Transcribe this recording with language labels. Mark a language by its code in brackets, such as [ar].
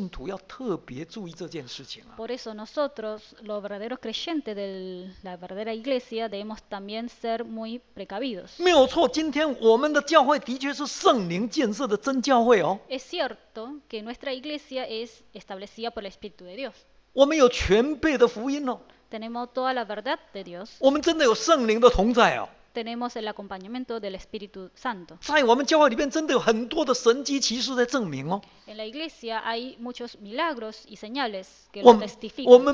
[zh] 因此今天我们真教会的真信徒要特别注意这件事情啊, [es] por eso nosotros, los verdaderos creyentes de la verdadera iglesia, debemos también ser muy precavidos. [zh] 没有错,今天我们的教会的确是圣灵建设的真教会哦, [es] es cierto que nuestra iglesia es establecida por el Espíritu de Dios. [zh] 我们有全备的福音哦, [es] tenemos toda la verdad de Dios. [zh] 我们真的有圣灵的同在哦, [es] tenemos el acompañamiento del Espíritu Santo. [zh] 在我们教会里面真的有很多的神迹奇事在证明哦, [es] en la iglesia hay muchos milagros y señales que lo testifican.